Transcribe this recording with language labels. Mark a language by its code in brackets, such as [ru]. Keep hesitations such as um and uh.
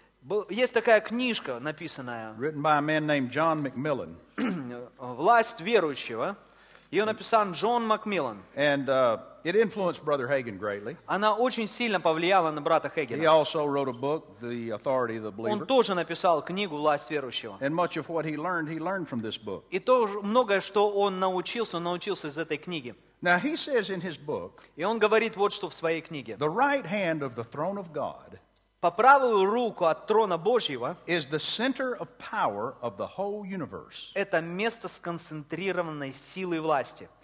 [en] Written by a man named John Macmillan. [ru] Власть верующего. Uh, Ее написал Джон Макмиллан. [en] It influenced Brother Hagen greatly. [ru] Она очень сильно повлияла на брата Хагена. [en] He also wrote a book, The Authority of the Believer. [ru] Он тоже написал книгу «Власть верующего». [en] And much of what he learned, he learned from this book. [ru] И тоже многое, что он научился, он научился из этой книги. [en] Now he says in his book, [ru] и он говорит вот что в своей книге. [en] The right hand of the throne of God [ru] по правую руку от трона Божьего [en] is the center of power of the whole universe. [ru] это место сконцентрированной силы власти.